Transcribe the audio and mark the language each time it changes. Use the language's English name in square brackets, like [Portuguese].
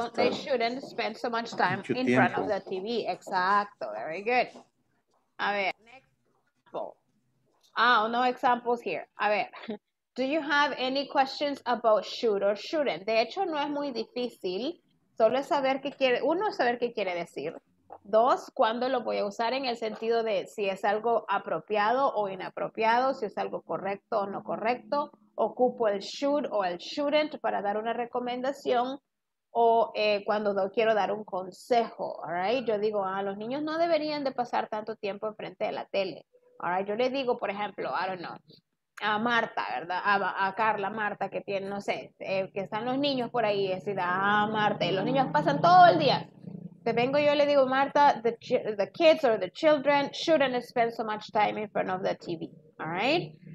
[English] They shouldn't spend so much time in front of the TV. [Spanish] Exacto. [English] Very good. [Spanish] A ver. [English] Next example. Ah, no examples here. [Spanish] A ver. [English] Do you have any questions about should or shouldn't? [Spanish] De hecho, no es muy difícil. Solo es saber qué quiere. Uno, saber qué quiere decir. Dos, cuándo lo voy a usar en el sentido de si es algo apropiado o inapropiado, si es algo correcto o no correcto. Ocupo el should o el shouldn't para dar una recomendación o cuando quiero dar un consejo. [English] All right? [Spanish] Yo digo, los niños no deberían de pasar tanto tiempo enfrente de la tele. [English] All right? [Spanish] Yo le digo, por ejemplo, [English] I don't know. [Spanish] A Marta, ¿verdad? A Carla, Marta, que tiene, no sé, que están los niños por ahí, decir, Marta, y los niños pasan todo el día. Te vengo yo y le digo, [English] Marta, the kids or the children shouldn't spend so much time in front of the TV, all right?